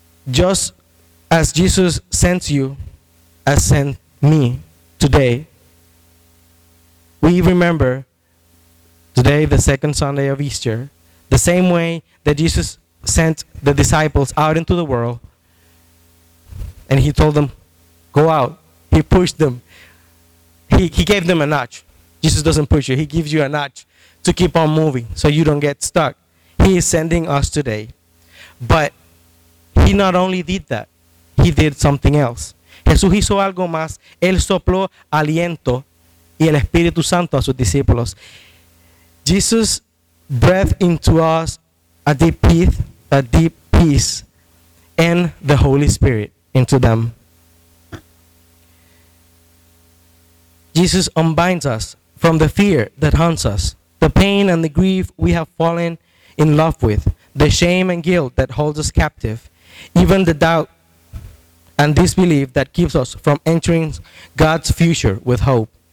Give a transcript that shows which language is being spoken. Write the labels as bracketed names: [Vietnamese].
[English] Just as Jesus sends you, as sent me today, we remember today, the second Sunday of Easter, the same way that Jesus sent the disciples out into the world and he told them, go out. He pushed them. He gave them a notch. Jesus doesn't push you. He gives you a notch to keep on moving so you don't get stuck. He is sending us today. But he not only did that, he did something else. [Spanish] Jesús hizo algo más. Él sopló aliento y el Espíritu Santo a sus discípulos. [English] Jesus breathed into us a deep peace, and the Holy Spirit into them. Jesus unbinds us from the fear that haunts us, the pain and the grief we have fallen in love with, the shame and guilt that holds us captive, even the doubt and disbelief that keeps us from entering God's future with hope.